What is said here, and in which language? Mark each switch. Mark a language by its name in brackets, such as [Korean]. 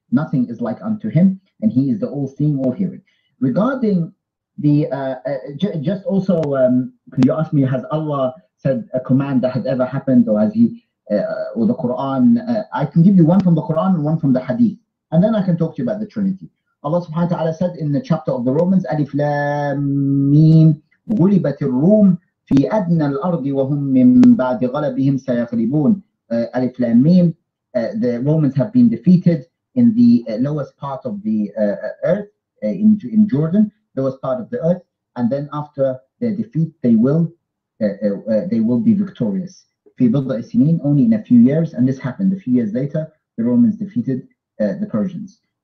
[English] Nothing is like unto him, and he is the all-seeing, all-hearing. Regarding the, just also, could you ask me, has Allah said a command that has ever happened, or has he, or the Quran? I can give you one from the Quran and one from the Hadith, and then I can talk to you about the Trinity. Allah subhanahu wa ta'ala said in the chapter of the Romans, [Arabic] أَلِفْ لَمْ مِيمْ غُلِبَتِ الرُّومِ في أدنى الأرض وهم من بعد غلبهم سيغلبون ألف لام ميم. [English] The Romans have been defeated in the lowest part of the earth, in Jordan, lowest part of the earth, and then after their defeat, they will be victorious. [Arabic] في بضع سنين, [English] only in a few years, and this happened a few years later, the Romans defeated the Persians.